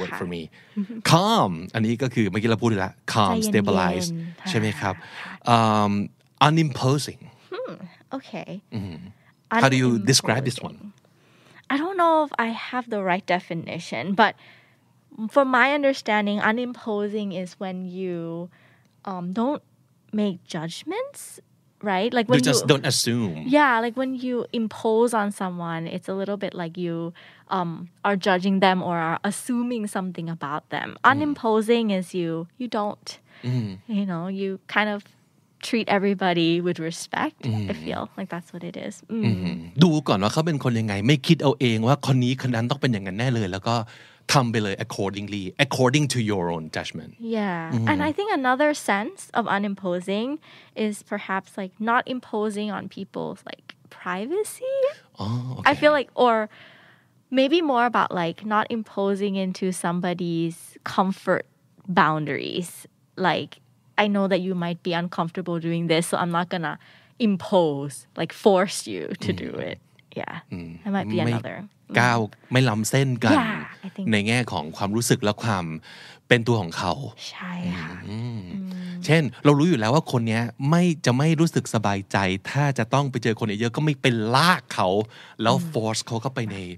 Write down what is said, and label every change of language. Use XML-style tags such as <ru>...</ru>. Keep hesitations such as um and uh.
<en>word for me calm</en> <th>อันนี้ก็คือเมื่อกี้เราพูดแล้ว</th> <en>calm stabilize</en> <th>ใช่ไหมครับ</th> <en>um, unimposing hmm. okay mm unimposing. how do you describe this one I don't know if I have the right definition, but for my understanding, unimposing is when you um, don't make judgments right? Like when just you just don't assume. Yeah, like when you impose on someone, it's a little bit like you um, are judging them or are assuming something about them. Mm -hmm. Unimposing is you you don't mm -hmm. you know, you kind of treat everybody with respect. Mm. -hmm. I feel like that's what it is. Mm hmm</en> <th>ดูก่อนว่าเขาเป็นคนยังไงไม่คิดเอาเองว่าคนนี้คนนั้นต้องเป็นอย่างนั้นแน่เลยแล้วก็</th> <en>come below accordingly, according to your own judgment. Yeah. Mm-hmm. And I think another sense of unimposing is perhaps like not imposing on people's like privacy. Oh, okay. I feel like, or maybe more about like not imposing into somebody's comfort boundaries. Like, I know that you might be uncomfortable doing this, so I'm not gonna impose, like force you to mm-hmm. do it. yeah might be another</en> <th>ก้าวไม่ล้ำเส้นกัน yeah, ในแง่ของความรู้สึกและความเป็นตัวของเขาใช่ค่ะเช่นเรารู้อยู่แล้วว่าคนนี้ไม่จะไม่รู้สึกสบายใจถ้าจะต้องไปเจอคนอีกเยอะก็ไม่เป็นลากเขา แล้ว force เขาเข้าไปใน</th>